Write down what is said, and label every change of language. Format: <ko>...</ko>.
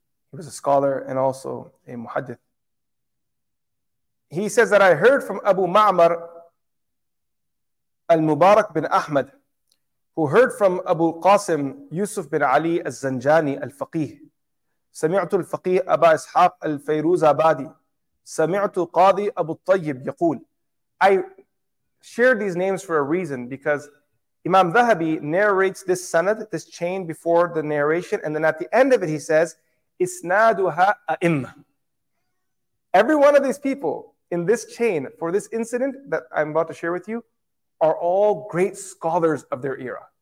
<en>He was a scholar and also a muhaddith. He says that I heard from Abu Ma'mar al-Mubarak bin Ahmad, who heard from Abu Qasim Yusuf bin Ali al-Zanjani al-Faqih.</en> <ar>سمعت الفقيه أبا إسحاق الفيروز أبادي. سمعت قاضي أبو الطيب يقول.</ar> <en>I shared these names for a reason, because Imam Dhahabi narrates this sanad, this chain before the narration, and then at the end of it he says, Isnaduha a'imma. Every one of these people in this chain for this incident that I'm about to share with you are all great scholars of their era.</en>